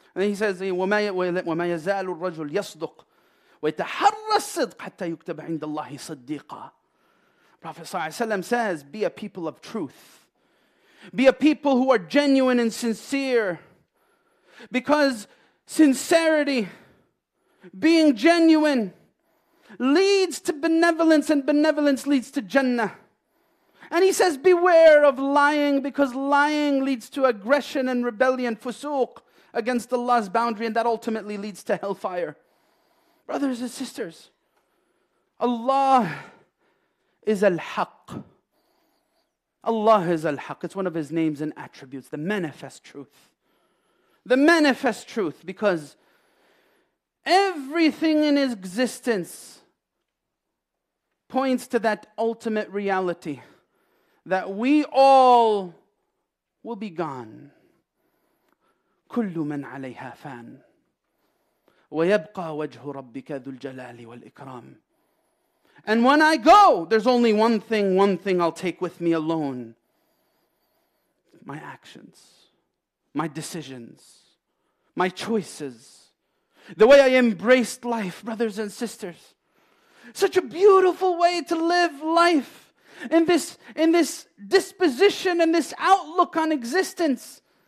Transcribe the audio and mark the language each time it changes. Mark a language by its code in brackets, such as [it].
[en] And he says, [ar] وَمَا يَزَالُ الرَّجُلُ يَصْدُقُ وَيَتَحَرَّى الصِّدْقَ حَتَّى يُكْتَبَ عِنْدَ اللَّهِ صَدِّيقًا. [en] Prophet ﷺ says, be a people of truth. Be a people who are genuine and sincere. Because sincerity, being genuine, leads to benevolence, and benevolence leads to Jannah. And he says, beware of lying, because lying leads to aggression and rebellion, fusuq, against Allah's boundary, and that ultimately leads to hellfire. Brothers and sisters, Allah is al-haq. Allah is al-haq. It's one of his names and attributes, the manifest truth. The manifest truth, because everything in his existence points to that ultimate reality. that we all will be gone. [ar] كل من عليها فان ويبقى وجه ربك ذو الجلال والإكرام. [en] And when I go, there's only one thing I'll take with me alone. My actions, my decisions, my choices, the way I embraced life, brothers and sisters. Such a beautiful way to live life in this disposition and this outlook on existence.